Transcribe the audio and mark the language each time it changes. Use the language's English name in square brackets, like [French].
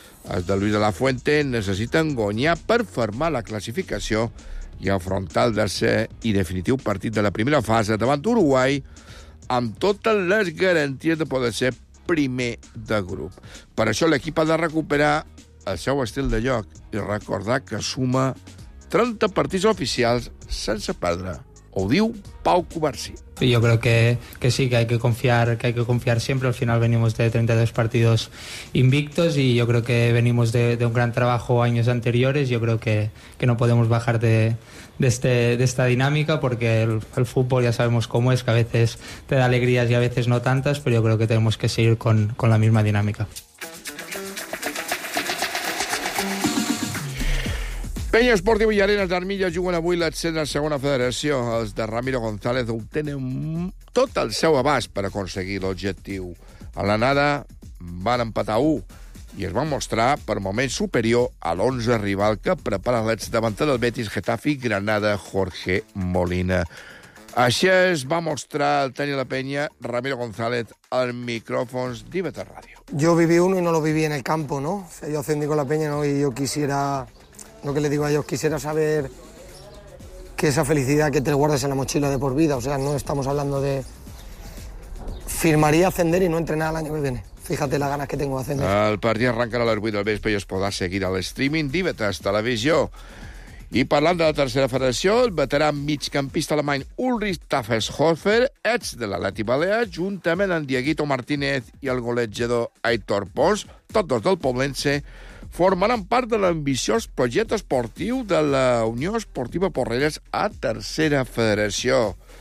[Catalan] Els de Luis de la Fuente necessiten guanyar per fermar la classificació i afrontar el tercer i definitiu partit de la primera fase davant Uruguai amb totes les garanties de poder ser primer de grup. Per això l'equip ha de recuperar el seu estil de joc i recordar que suma 30 partits oficials sense perdre. Ho diu Pau Cubarsí. [Spanish] Yo creo que sí, que hay que confiar siempre. Al final venimos de 32 partidos invictos y yo creo que venimos de un gran trabajo años anteriores. Yo creo que no podemos bajar de esta dinámica, porque el fútbol ya sabemos cómo es, que a veces te da alegrías y a veces no tantas, pero yo creo que tenemos que seguir con la misma dinámica. [Catalan] Penya Esportiva i Arenas d'Armilla juguen avui l'accent a la segona federació. Els de Ramiro González obtenen tot el seu abast per aconseguir l'objectiu. A l'anada van empatar 1 i es van mostrar per moment superior a l'11 rival que prepara l'ex davanter del Betis, Getafe i Granada, Jorge Molina. Així es va mostrar el tècnic de la penya, Ramiro González, als micròfons d'IVE3 Ràdio. [Spanish] Yo viví uno y no lo viví en el campo, ¿no? O sea, yo ascendí con la penya, ¿no? Y yo quisiera... Lo que le digo a ellos, quisiera saber que esa felicidad que te guardas en la mochila de por vida, o sea, no estamos hablando de... Firmaría ascender y no entrenar el año que viene. Fíjate las ganas que tengo de ascender. [Catalan] El partit arrencarà a les 8 del vespre i es podrà seguir a l'estreaming d'IVE3 Televisió. I parlant de la tercera federació, el veterà migcampista alemany Ulrich Tafeshofer, ets de l'Atleti Balear, juntament amb Dieguito Martínez i el golejador Aitor Pons, tots dos del Poblense, formaran part de l'ambiciós projecte esportiu de la Unió Esportiva Porreres a Tercera Federació.